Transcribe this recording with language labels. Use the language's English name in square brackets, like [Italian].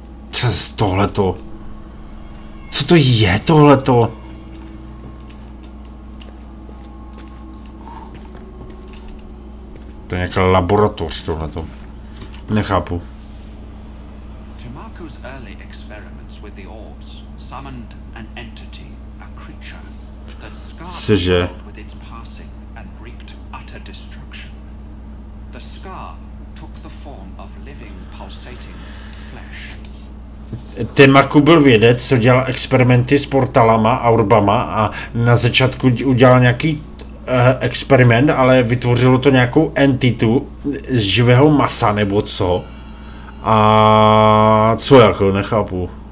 [Czech] Co z tohleto? Co to je tohleto? To je nějaká laboratoř tohle to. Nechápu. [English] Tomáku's early experiments with the orbs summoned an entity, a creature that scarred with its passing and wreaked utter destruction. The scar took the form of living pulsating flesh. [Czech] Tomáku byl vědec, co dělal experimenty s portalama a orbama a na začátku udělal nějaký experiment, ale vytvořilo to nějakou entitu z živého masa nebo co. A co jako, nechápu.